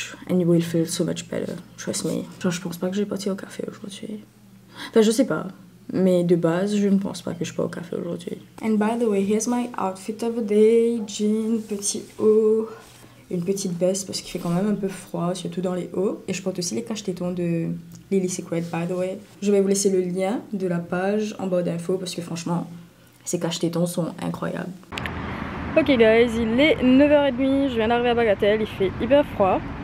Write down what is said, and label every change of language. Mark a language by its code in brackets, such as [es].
[en] And you will feel so much better, trust me. [fr] Genre, je pense pas que j'ai parti au café aujourd'hui. Enfin, je sais pas. Mais de base, je ne pense pas que je pars au café aujourd'hui. [en] And by the way, here's my outfit of the day. [fr] Jean, petit haut, une petite veste parce qu'il fait quand même un peu froid, surtout dans les hauts. Et je porte aussi les cache-tétons de Lily Secret, [en] by the way. [fr] Je vais vous laisser le lien de la page en bas d'infos parce que franchement, ces cache-tétons sont incroyables. Ok guys, il est 9h30, je viens d'arriver à Bagatelle, il fait hyper froid.